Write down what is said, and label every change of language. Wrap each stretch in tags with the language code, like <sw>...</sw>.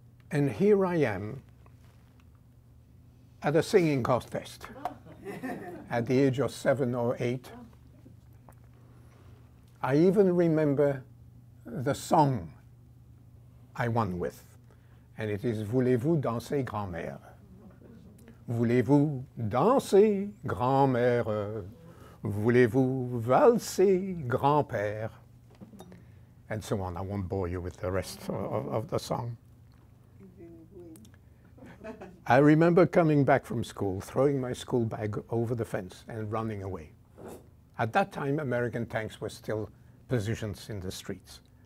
<en>And here I am at a singing contest at the age of 7 or 8. I even remember the song I won with, and it is</en> <fr>"Voulez-vous danser, grand-mère? Voulez-vous danser, grand-mère? Voulez-vous valser, grand-père?"</fr> <en>And so on. I won't bore you with the rest of the song. I remember coming back from school, throwing my school bag over the fence and running away. At that time, American tanks were still positioned in the streets.</en>